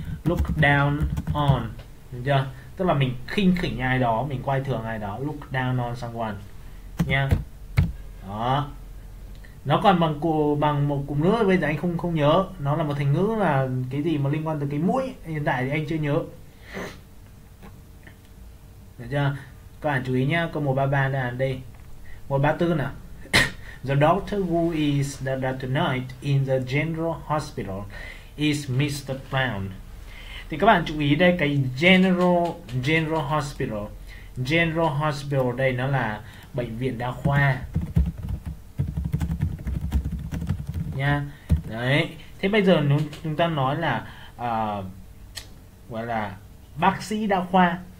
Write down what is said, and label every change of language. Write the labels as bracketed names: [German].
[English] Look down on. [Vietnamese] Được chưa? Tức là mình khinh khỉnh ai đó, mình quay thường ai đó, [English] look down on someone. [Vietnamese] Nha. Đó. Nó còn bằng một cụm nữa, bây giờ anh không nhớ. Nó là một thành ngữ là cái gì mà liên quan tới cái mũi. Hiện tại thì anh chưa nhớ. Được chưa? Các bạn chú ý nhá, câu 133 đây. 134 nào. [English] The doctor who is the doctor tonight in the general hospital is Mr. Brown. [Vietnamese] Thì các bạn chú ý đây, cái general hospital đây nó là bệnh viện đa khoa nha. Đấy, thế bây giờ chúng ta nói là gọi là bác sĩ đa khoa.